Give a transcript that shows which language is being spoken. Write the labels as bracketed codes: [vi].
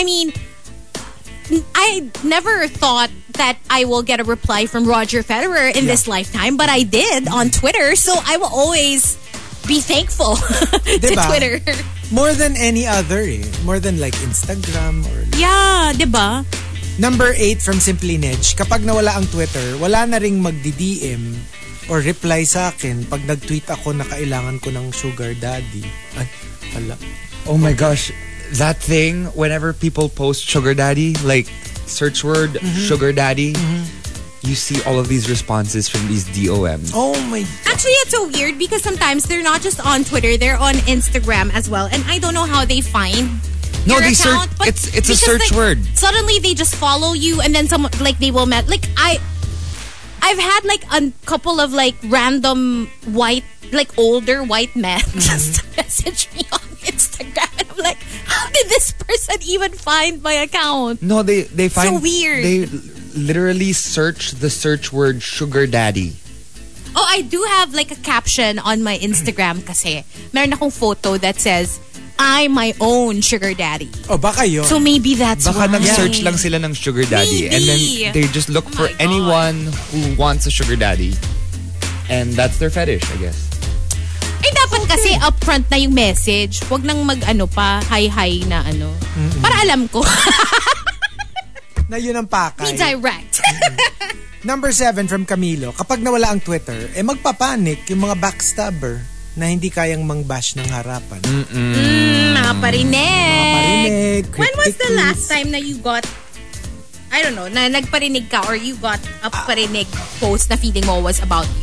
[en] I mean, I never thought that I will get a reply from Roger Federer in this lifetime, but I did on Twitter, so I will always be thankful to Twitter. More than any other, more than like Instagram or... Like, yeah, [tl] diba? [en] Number 8 from Simply Nedge. [tl] Kapag nawala ang Twitter, wala na ring magdi-DM or reply sa akin pag nag-tweet ako na kailangan ko ng sugar daddy. Ay, hala. [en] Oh my gosh. That thing, whenever people post sugar daddy, like search word, sugar daddy, you see all of these responses from these DOMs. Oh my God. Actually, it's so weird because sometimes they're not just on Twitter, they're on Instagram as well. And I don't know how they find your account, but it's a search word. Suddenly they just follow you and then someone, like, they will met. Like, I've had like a couple of like random white, like older white men just message me on Instagram. And I'm like, how did this person even find my account? No, they find so weird. They literally search the search word sugar daddy. Oh, I do have like a caption on my Instagram [tl] kasi. Meron akong [en] photo that says, I'm my own sugar daddy. [tl] Oh, baka yun. [en] So maybe that's [tl] baka Baka nag-search lang sila ng sugar daddy. [en] Maybe. And then they just look for anyone who wants a sugar daddy. And that's their fetish, I guess. [tl] Ay, dapat kasi upfront na yung message. Huwag nang mag-ano pa, hi-hi na ano. Mm-hmm. Para alam ko. Na yun ang pakay. [en] Be direct. Number 7 from Camilo. [tl] Kapag nawala ang Twitter, eh magpapanik yung mga backstabber na hindi kayang mang-bash ng harapan. Makaparinig. [en] When was the last time na you got, I don't know, [tl] na nagparinig ka [en] or you got a parinig post na feeling mo was about you?